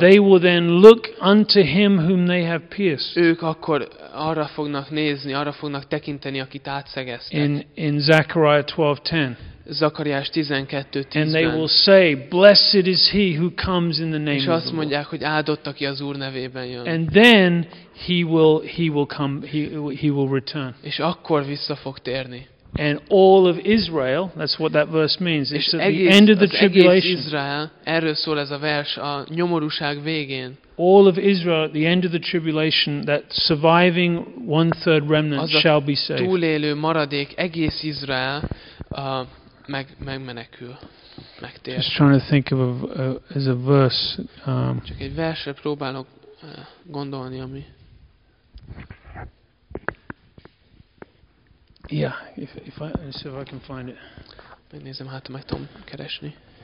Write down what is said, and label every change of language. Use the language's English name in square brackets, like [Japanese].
[English] They will then look unto him whom they have pierced. [Hungarian] Ők akkor arra fognak nézni, arra fognak tekinteni, akit átszegeztek. [English] In Zechariah 12:10. [Hungarian] Zakariás 12:10. [English] And they will say, blessed is he who comes in the name of the Lord. [Hungarian] És azt mondják, hogy áldott, aki az Úr nevében jön. [English] And then he will return. [Hungarian] És akkor vissza fog térni. [English] And all of Israel, that's what that verse means. It's at [Hungarian] egész, [English] the end of the tribulation. [Hungarian] Israel, erről szól ez a vers a nyomorúság végén. [English] All of Israel at the end of the tribulation, that surviving 1/3 remnant shall be saved. [Hungarian] Túlélő maradék egész Izrael megmenekül. megtér. [English] Just trying to think of as a verse. [Hungarian] Csak egy versre próbálok gondolni, ami. [English] Yeah, if I can find it. [Hungarian] Megnézem, hát meg tudom keresni.